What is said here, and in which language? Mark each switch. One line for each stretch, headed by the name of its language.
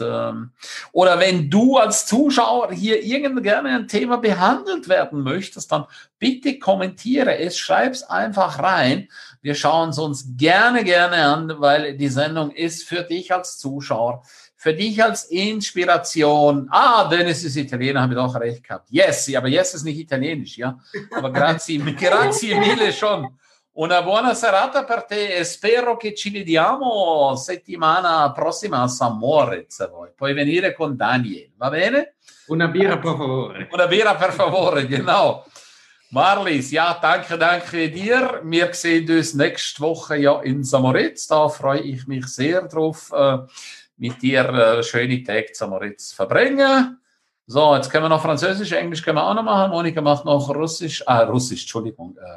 German: Oder wenn du als Zuschauer hier irgendwie gerne ein Thema behandelt werden möchtest, dann bitte kommentiere es, schreib es einfach rein. Wir schauen es uns gerne an, weil die Sendung ist für dich als Zuschauer, für dich als Inspiration. Ah, Dennis ist Italiener, habe ich auch recht gehabt. Yes, aber yes ist nicht Italienisch, ja. Aber
Italian: grazie mille
German: schon.
Italian: Una buona serata per te e spero che ci vediamo settimana prossima a San Moritz. Puoi venire con Daniel, va bene? Una birra, per favore. Una birra, per favore, genau.
German: Marlies, ja, danke dir. Wir sehen uns nächste Woche ja in St. Moritz. Da freue ich mich sehr drauf, mit dir schöne Tag St. Moritz zu verbringen. So, jetzt können wir noch Französisch, Englisch können wir auch noch machen. Monika macht noch Russisch, Entschuldigung.